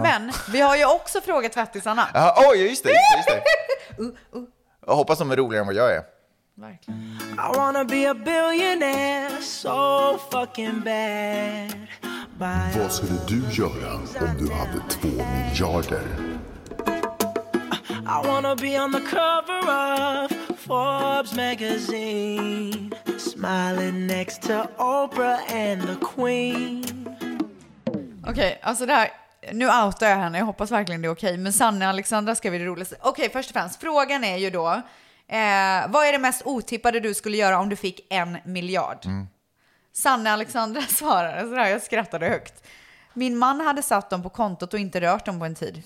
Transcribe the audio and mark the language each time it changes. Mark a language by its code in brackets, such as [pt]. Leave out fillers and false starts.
[sv] Men vi har ju också frågat tvättisarna. Oj, just det. Jag hoppas de är roligare än vad jag är. [en] Verkligen. I wanna be a billionaire so fucking bad. [sv] Vad skulle du göra om du hade 2 miljarder? [en] I wanna be on the cover of Forbes magazine, smiling next to Oprah and the Queen. [sv] Okej, alltså det här, nu outar jag henne, jag hoppas verkligen det är okej. Men Sanne och Alexandra ska vi det roligaste. Okej, först och främst, frågan är ju då vad är det mest otippade du skulle göra om du fick 1 miljard? Mm. Sanne och Alexandra svarade sådär, jag skrattade högt. Min man hade satt dem på kontot och inte rört dem på en tid.